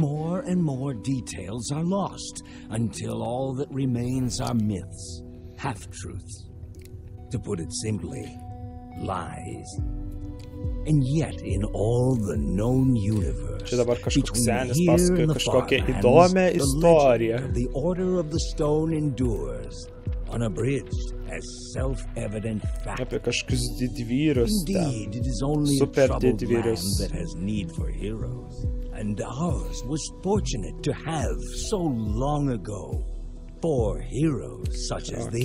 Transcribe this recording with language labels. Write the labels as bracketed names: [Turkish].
[English] More and more details are lost until all that remains are myths, half truths. To put it simply, lies. And yet in all the known universe, [Lithuanian] čia dabar kažkoks senis pasakė kažkokią įdomią istoriją. [English] The order of the stone endures, unabridged as self-evident fact. [Lithuanian] Apie kažkus didvyrus ten, super didvyrus. [English] That has need for heroes, and ours was fortunate to have so long ago four heroes such as these.